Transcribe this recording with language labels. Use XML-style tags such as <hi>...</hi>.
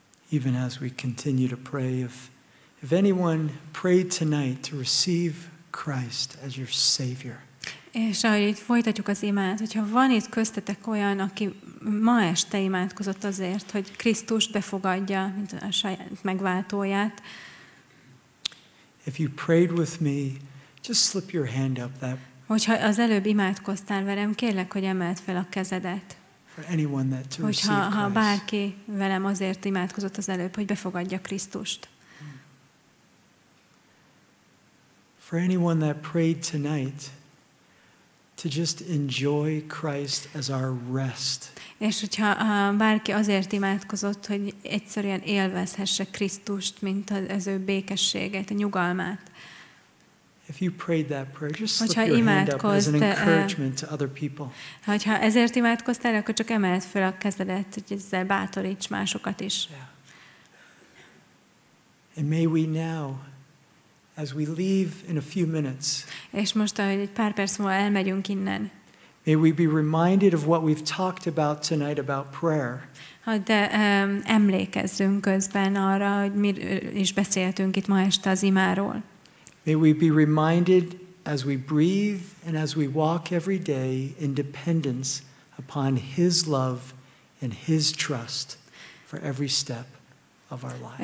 <en>even as we continue to pray, if anyone prayed tonight to receive Christ as your Savior.</en> <hu>És ahogy folytatjuk az imát, hogyha van itt köztetek olyan, aki ma este imádkozott azért, hogy Krisztust befogadja, mint a saját megváltóját.</hu> <en>If you prayed with me, just slip your hand up that.</en> <hu>Hogyha az előbb imádkoztál velem, kérlek, hogy emeld fel a kezedet.</hu> <en>For anyone that to receive Christ.</en> <hu>Hogyha bárki velem azért imádkozott az előbb, hogy befogadja Krisztust.</hu> <en>For anyone that prayed tonight to just enjoy Christ as our rest.</en> <hu>És hogyha bárki azért imádkozott, hogy egyszerűen élvezhesse Krisztust, mint az ő békességét, a nyugalmát.</hu> <en>If you prayed that prayer, just slip your hand up as an encouragement to other people.</en> <hu>Hogyha ezért imádkoztál, akkor csak emeld fel a kezedet, hogy ezzel bátoríts másokat is.</hu> <en>Yeah. And may we now, as we leave in a few minutes,</en> <hu>és most, ahogy egy pár perc múlva elmegyünk innen,</hu> <en>may we be reminded of what we've talked about tonight about prayer.</en> <hu>Hogy emlékezzünk közben arra, hogy mi is beszéltünk itt ma este az imáról.</hu> <en>May we be reminded as we breathe and as we walk every day in dependence upon His love and His trust for every step of our life.</en>